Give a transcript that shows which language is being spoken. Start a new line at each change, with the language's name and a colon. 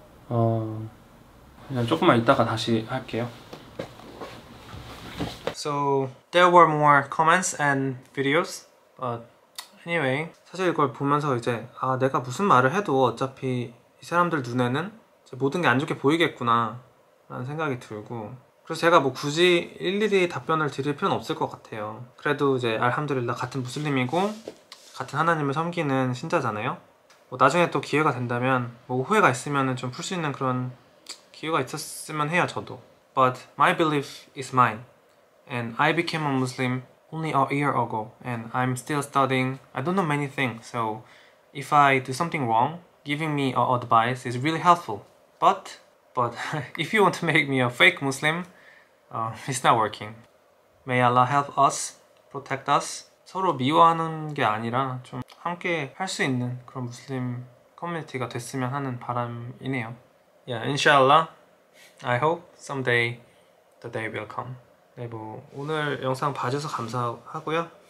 English: So, there were more comments and videos, but anyway,
Korean: 사실 이걸 보면서 이제 아 내가 무슨 말을 해도 어차피 이 사람들 눈에는 이제 모든 게 안 좋게 보이겠구나 라는 생각이 들고 그래서 제가 뭐 굳이 일일이 답변을 드릴 필요는 없을 것 같아요. 그래도 이제 알함두릴라 같은 무슬림이고 같은 하나님을 섬기는 신자잖아요. 뭐 나중에 또 기회가 된다면 뭐 후회가 있으면은 좀 풀 수 있는 그런 기회가 있었으면 해요 저도.
English: But my belief is mine. And I became a Muslim only a year ago. And I'm still studying. I don't know many things. So if I do something wrong, giving me advice is really helpful. But if you want to make me a fake Muslim, it's not working. May Allah help us, protect us.
Korean: 서로 미워하는 게 아니라 좀 함께 할 수 있는 그런 무슬림 커뮤니티가 됐으면 하는 바람이네요.
English: Yeah, inshallah. I hope someday the day will come.
Korean: 네, 뭐 오늘 영상 봐줘서 감사하고요.